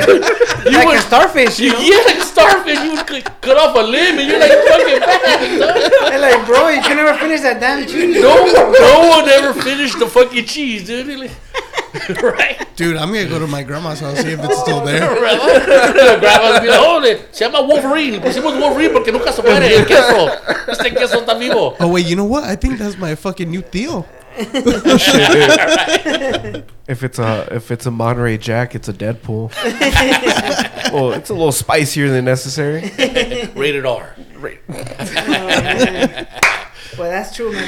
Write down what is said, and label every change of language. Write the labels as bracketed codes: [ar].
[en] Like a, you like would, a starfish, you know? Yeah, like a starfish. You would cut off a limb and you're like fucking back. And like, bro, you can never finish that damn cheese. No one ever finished the fucking cheese, dude. Like, right? Dude, I'm going to go to my grandma's house and see if it's still there. Grandma's going to be like, hold it. [es] Se llama Wolverine. Pusimos Wolverine porque nunca se muere el queso. Este queso está vivo. [en] Oh, wait, you know what? I think that's my fucking new tío. if it's a Monterey Jack, it's a Deadpool. Well, it's a little spicier than necessary. Rated R. Well, that's true, man.